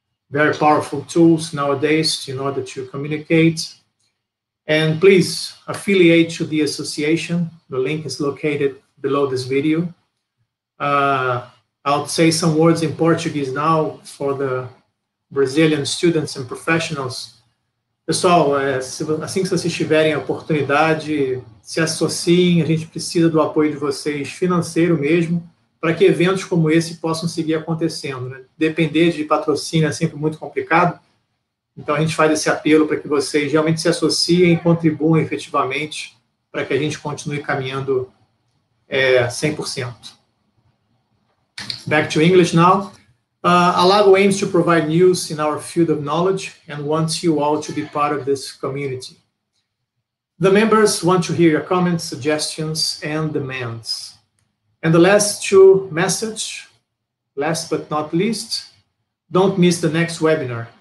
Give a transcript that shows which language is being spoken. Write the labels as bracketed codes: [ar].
[en] Very powerful tools nowadays in order to communicate. And please affiliate to the association. The link is located below this video. I'll say some words in Portuguese now for the Brazilian students and professionals. [pt] Pessoal, assim que vocês tiverem a oportunidade, se associem, a gente precisa do apoio de vocês financeiro mesmo, para que eventos como esse possam seguir acontecendo. Depender de patrocínio é sempre muito complicado, então a gente faz esse apelo para que vocês realmente se associem e contribuam efetivamente para que a gente continue caminhando 100%. [en] Back to English now. ALAGO aims to provide news in our field of knowledge and wants you all to be part of this community. The members want to hear your comments, suggestions, and demands. And the last two messages, last but not least, don't miss the next webinar.